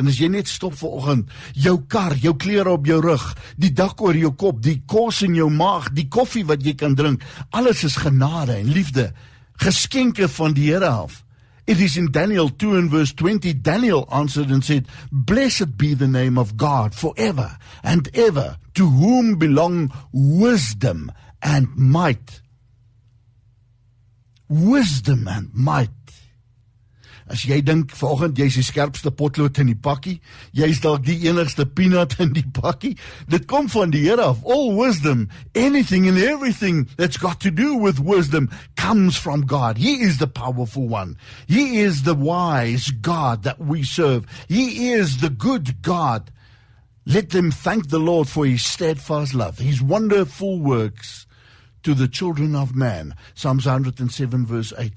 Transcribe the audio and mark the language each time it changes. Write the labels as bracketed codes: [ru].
[af] En as jy net stop vir oggend, jou kar, jou klere op jou rug, die dak oor jou kop, die kos in jou maag, die koffie wat jy kan drink, alles is genade en liefde, geskenke van die Here af. [en] It is in Daniel 2 and verse 20, Daniel answered and said, blessed be the name of God forever and ever, to whom belong wisdom and might. Wisdom and might. [af] As jy dink, volgend, jy is die skerpste potlood in die pakkie, jy is dalk die enigste peanut in die pakkie, dit kom van die Here af. [en] All wisdom, anything and everything that's got to do with wisdom comes from God. He is the powerful one. He is the wise God that we serve. He is the good God. Let them thank the Lord for His steadfast love, His wonderful works to the children of man, Psalms 107 verse 8.